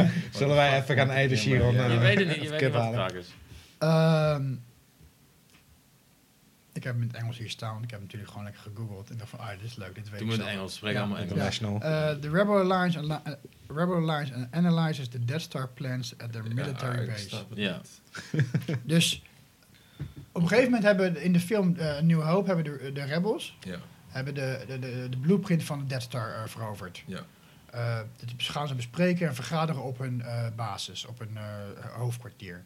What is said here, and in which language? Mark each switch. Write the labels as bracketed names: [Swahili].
[Dutch] Zullen wij even gaan eten, Sjeroen? Je weet het niet, je weet wat de vraag is. Ik heb hem in het Engels hier staan, want ik heb hem natuurlijk gewoon lekker gegoogeld. En dacht van, dit is leuk, dit weet ik zelf. Doe me in Engels, spreek allemaal Engels. International. [English] The Rebel Alliance, Rebel Alliance analyzes the Death Star plans at their military base. [Dutch] Dus... Op een gegeven moment hebben in de film New Hope hebben de rebels hebben de blueprint van de Death Star veroverd. Ja. Dat gaan ze bespreken en vergaderen op hun basis, op hun hoofdkwartier.